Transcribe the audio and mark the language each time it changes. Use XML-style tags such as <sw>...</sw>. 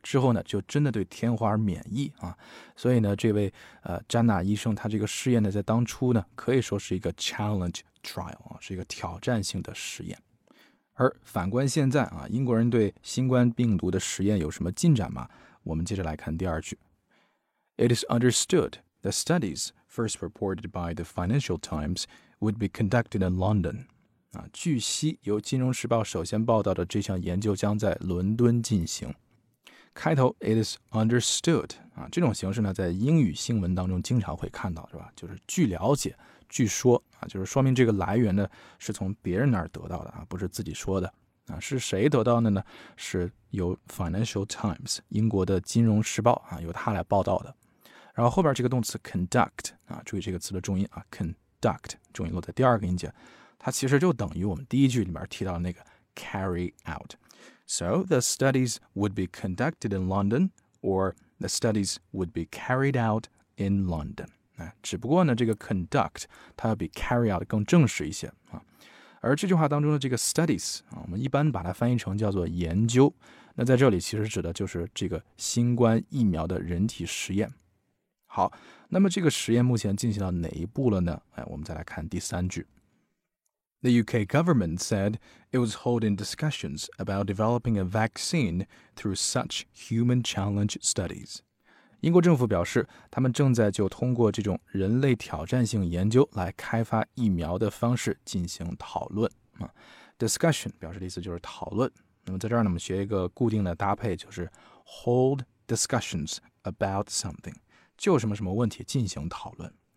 <zh>之后呢，就真的对天花免疫啊。所以呢，这位詹纳医生他这个试验呢，在当初呢，可以说是一个 challenge trial 啊，是一个挑战性的实验。而反观现在啊，英国人对新冠病毒的实验有什么进展吗？我们接着来看第二句。</zh> <en>It is understood the studies first reported by the Financial Times would be conducted in London.</en> <zh>啊，据悉由金融时报首先报道的这项研究将在伦敦进行。开头</zh> <en>It is understood、</en> <zh>啊、这种形式呢，在英语新闻当中经常会看到，是吧？就是据了解据说、啊、就是说明这个来源呢是从别人那儿得到的、啊、不是自己说的、啊、是谁得到的呢？是由 Financial Times 英国的金融时报、啊、由他来报道的。然后后边这个动词 conduct、啊、注意这个词的重音、啊、conduct 重音落在第二个音节，它其实就等于我们第一句里面提到的那个 carry out。</zh> <en>So, the studies would be conducted in London, or the studies would be carried out in London.</en> <zh>只不过呢，这个 conduct, 它要比 carry out 更正式一些、啊、而这句话当中的这个 studies,、啊、我们一般把它翻译成叫做研究，那在这里其实指的就是这个新冠疫苗的人体实验。好，那么这个实验目前进行到哪一步了呢、哎、我们再来看第三句。</zh> <en>The UK government said it was holding discussions about developing a vaccine through such human challenge studies.</en> <zh>英国政府表示，他们正在就通过这种人类挑战性研究来开发疫苗的方式进行讨论。 Discussion 表示的意思就是讨论。那么在这儿呢，我们学一个固定的搭配，就是</zh> <en>hold discussions about something，</en> <zh>就什么什么问题进行讨论。</zh>